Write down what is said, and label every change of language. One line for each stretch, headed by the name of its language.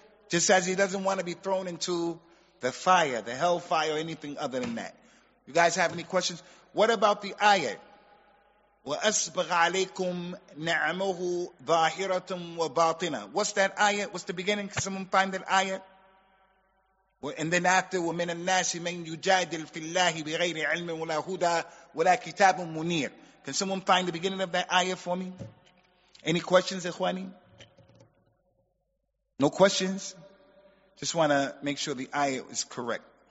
English: Just as he doesn't want to be thrown into the fire, the hellfire, or anything other than that. You guys have any questions? What about the ayat?
Arabic: وَأَسْبَغَ عَلَيْكُمْ نَعْمَهُ ظَاهِرَةٌ وَبَاطِنَةٌ.
English: What's that ayat? What's the beginning? Can someone find that ayat? And then after,
Arabic: وَمِنَ النَّاسِ مَنْ يُجَادِلْ فِي اللَّهِ بِغَيْرِ عِلْمٍ وَلَا هُدَى وَلَا كِتَابٌ مُنِيرٌ.
English: Can someone find the beginning of that ayah for me? Any questions, Ikhwani? No questions? Just want to make sure the ayah is correct.